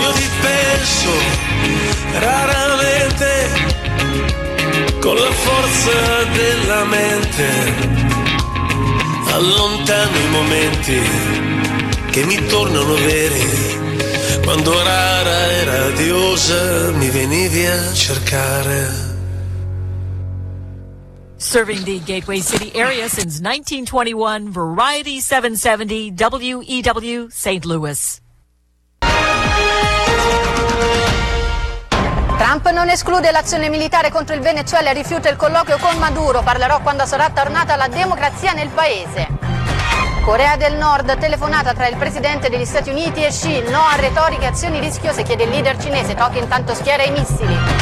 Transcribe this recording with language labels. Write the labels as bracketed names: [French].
[Italian] Io ti penso raramente, con la forza della mente, allontano i momenti che mi tornano veri, quando rara e radiosa mi venivi a cercare. [English] Serving the Gateway City area since 1921, Variety 770 WEW St. Louis. [Italian] Trump non esclude l'azione militare contro il Venezuela e rifiuta il colloquio con Maduro. Parlerò quando sarà tornata la democrazia nel paese. Corea del Nord, telefonata tra il presidente degli Stati Uniti e Xi. No a retoriche e azioni rischiose, chiede il leader cinese. Tokyo intanto schiera i missili.